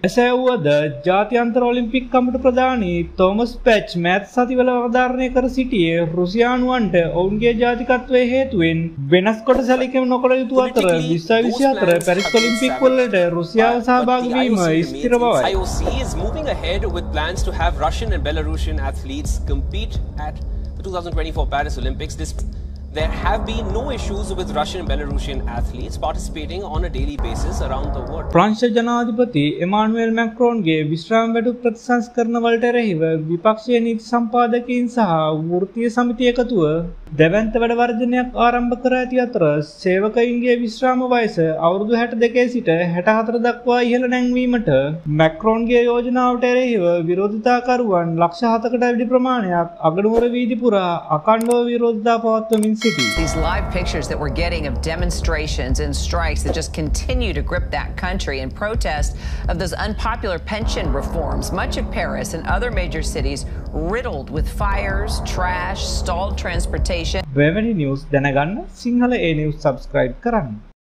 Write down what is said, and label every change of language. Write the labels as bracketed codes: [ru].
[si] එසේ වුවද ජාත්‍යන්තර ඔලිම්පික් කමිට ප්‍රධානි තෝමස් පැච් මැත් සතිවල අවධාරණය කර සිටියේ රුසියානුවන්ට ඔවුන්ගේ ජාතිකත්වයේ හේතුවෙන් වෙනස්කොට සැලකීම නොකළ යුතු අතර 2024 පැරිස් ඔලිම්පික් වලට රුසියාව සහභාගි වීම ස්ථිර බවයි. [en] IOC is moving ahead with plans to have Russian and Belarusian athletes compete at the 2024 Paris Olympics. There have been no issues with Russian and Belarusian athletes participating on a daily basis around the world. [si] ප්‍රංශ ජනාධිපති එමානුවෙල් මැක්‍රෝන්ගේ විශ්‍රාම වැටුප් ප්‍රතිසංස්කරණ වලට රැහිව විපක්ෂීය නීති සම්පාදකීන් සහ වෘත්තීය සමිතිය එකතුව දෙවන්ත වැඩ වර්ධනයක් ආරම්භ කර ඇති අතර සේවකයින්ගේ විශ්‍රාම වයස අවුරුදු 62 සිට 64 දක්වා ඉහළ නැංවීමට මැක්‍රෝන්ගේ යෝජනාවට එරෙහිව විරෝධතාකරුවන් 107කට වැඩි ප්‍රමාණයක් අගනුවර වීදි පුරා අඛණ්ඩව විරෝධතා පවත්වමින් සිටී. [en] These live pictures that we're getting of demonstrations and strikes that just continue to grip that country in protest of those unpopular pension reforms. Much of Paris and other major cities riddled with fires, trash, stalled transportation. [si] වෙවැනි news දැනගන්න Sinhala A News subscribe කරන්න.